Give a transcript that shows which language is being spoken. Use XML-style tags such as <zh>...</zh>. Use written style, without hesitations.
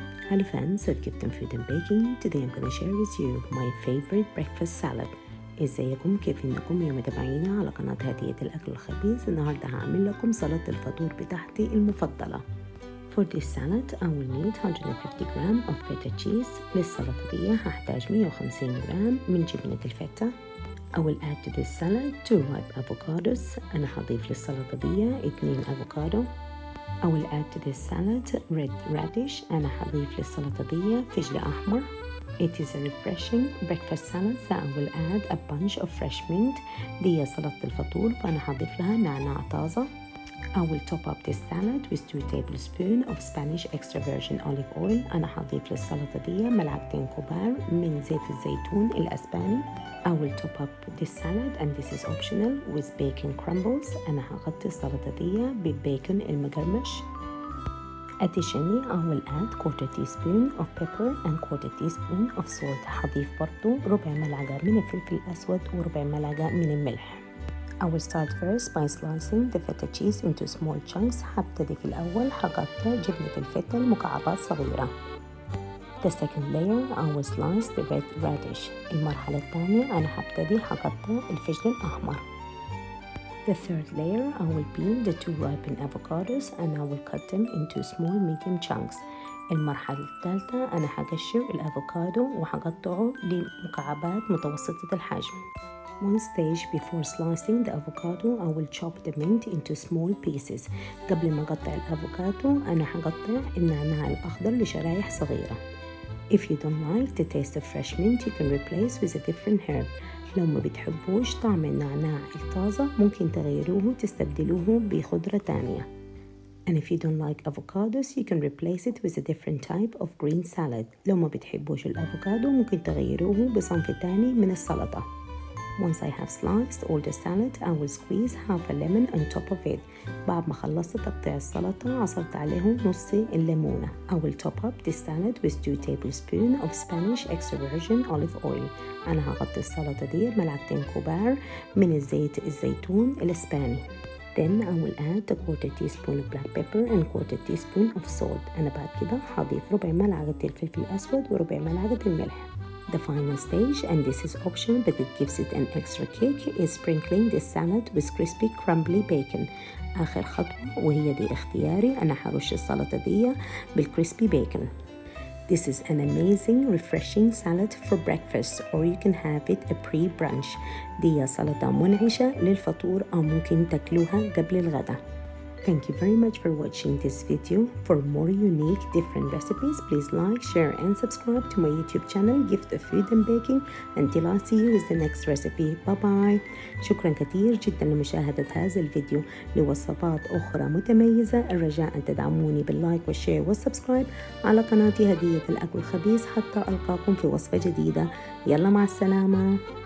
<en>Hello fans of Gift and Food and Baking. Today I'm going to share with you my favorite breakfast salad.</en> <ar>ازيكم؟ كيف انكم يا متابعينا على قناة هدية الأكل الخبيز؟ النهاردة هعمل لكم سلطة الفطور بتاعتي المفضلة.</ar> <en>For this salad I will need 150 gram of feta cheese.</en> <ar>للسلطة دي هحتاج 150 gram من جبنة الفتة.</ar> <en>I will add to this salad 2 ripe avocados.</en> <ar>أنا هضيف للسلطة دي 2 avocado.</ar> <en>I will add to this salad red radish.</en> <ar>أنا هضيف للسلطة دي فجل أحمر.</ar> <en>It is a refreshing breakfast salad, so I will add a bunch of fresh mint.</en> <ar>دي سلطة الفطور فأنا هضيف لها نعناع طازة.</ar> <en>I will top up this salad with 2 tablespoons of Spanish extra virgin olive oil.</en> <ar>أنا هضيف للسلطة دي ملعقتين كبار من زيت الزيتون الأسباني.</ar> <en>I will top up this salad, and this is optional, with bacon crumbles.</en> <ar>أنا هغطي السلطة دي بالبيكون المقرمش.</ar> <en>Additionally, I will add 1/4 teaspoon of pepper and 1/4 teaspoon of salt.</en> <ar>هضيف برضو ربع ملعقة من الفلفل الأسود وربع ملعقة من الملح.</ar> <en>I will start first by slicing the feta cheese into small chunks.</en> <ar>هبتدي في الأول هقطع جبنة الفتة لمكعبات صغيرة.</ar> <en>The second layer, I will slice the red radish.</en> <ar>المرحلة الثانية أنا هبتدي هقطع الفجل الأحمر.</ar> <en>The third layer, I will peel the 2 ripened avocados and I will cut them into small medium chunks.</en> <ar>المرحلة الثالثة أنا هقشر الأفوكادو وهقطعه لمكعبات متوسطة الحجم.</ar> <en>One stage before slicing the avocado, I will chop the mint into small pieces.</en> <ar>قبل ما أقطع الأفوكادو أنا هقطع النعناع الأخضر لشرايح صغيرة.</ar> <en>If you don't like the taste of fresh mint, you can replace with a different herb.</en> <ar>لو ما بتحبوش طعم النعناع الطازة ممكن تغيروه تستبدلوه بخضرة تانية.</ar> <en>And if you don't like avocados, you can replace it with a different type of green salad.</en> <ar>لو ما بتحبوش الأفوكادو ممكن تغيروه بصنف تاني من السلطة.</ar> <en>Once I have sliced all the salad, I will squeeze half a lemon on top of it.</en> <ar>بعد ما خلصت تقطيع السلطة عصرت عليهم نص الليمونة.</ar> <en>I will top up this salad with 2 tablespoons of Spanish extra virgin olive oil.</en> <ar>أنا هغطي السلطة دي ملعقتين كبار من الزيت الزيتون الإسباني.</ar> <en>Then I will add 1/4 teaspoon of black pepper and 1/4 teaspoon of salt.</en> <ar>أنا بعد كده هضيف ربع ملعقة الفلفل الأسود وربع ملعقة الملح.</ar> <en>The final stage, and this is optional but it gives it an extra kick, is sprinkling this salad with crispy crumbly bacon.</en> <ar>آخر خطوة وهي دي اختياري أنا هرش السلطة دي بالكريسبي بيكن.</ar> <en>This is an amazing refreshing salad for breakfast or you can have it a pre-brunch.</en> <ar>دي سلطة منعشة للفطور أو ممكن تاكلوها قبل الغداء.</ar> <en>Thank you very much for watching this video. For more unique, different recipes, please like, share, and subscribe to my YouTube channel, Gift of Food and Baking. Until I see you with the next recipe. Bye-bye.</en> <ar>شكرا كثير جدا لمشاهدة هذا الفيديو. لوصفات أخرى متميزة، الرجاء أن تدعموني باللايك والشير والسبسكرايب على قناتي هدية الأكل الخبيز حتى ألقاكم في وصفة جديدة. يلا مع السلامة.</ar>